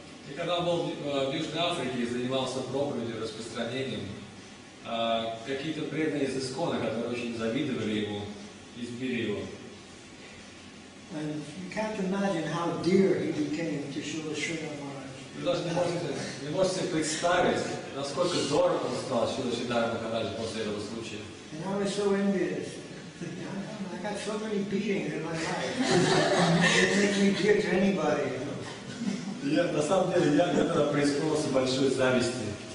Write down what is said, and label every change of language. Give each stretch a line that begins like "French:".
Russian: И когда он был в Южной Африке и занимался проповедью, распространением, какие-то преданные из Искона, которые очень завидовали ему, избили его.
English: And you can't imagine how dear he became to Srila Sridhar Maharaj.
Russian: Вы даже не можете себе представить, насколько дорого он стал Шрила Шридхара Махараджа после этого случая.
English: And I was so envious. I got so many beatings in my life. It makes me dear to anybody.
Russian: Я, на самом деле, я когда преисполнился большой зависти.